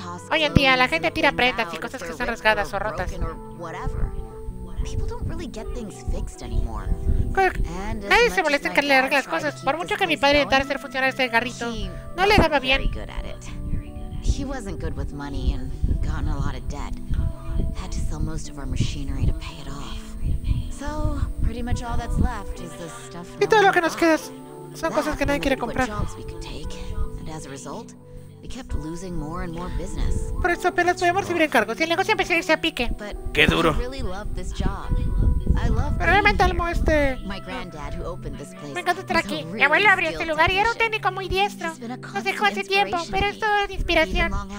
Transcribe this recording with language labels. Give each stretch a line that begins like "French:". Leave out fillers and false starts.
Spanish: Hoy en día, la gente tira prendas y cosas que son rasgadas o rotas. Nadie se molesta en que le arregle las cosas. Por mucho que mi padre intentara hacer funcionar este garrito, no le daba bien.
English: He wasn't good with money and gotten a lot of debt. Had to sell most of our machinery to pay it off. So, pretty much all that's left is the stuff.
Spanish: Y todo lo que nos queda son cosas que nadie quiere comprar.
English: And as a result, we kept losing more and more business.
Spanish: Por eso apenas podíamos recibir encargos y el negocio empezó a irse a pique. Qué duro.
English: Really love this job. I love being here. My granddad who opened this place.
Spanish: Me encanta estar aquí. Mi abuelo abrió este lugar y era un técnico muy diestro. Nos dejó hace tiempo, pero es todo inspiración.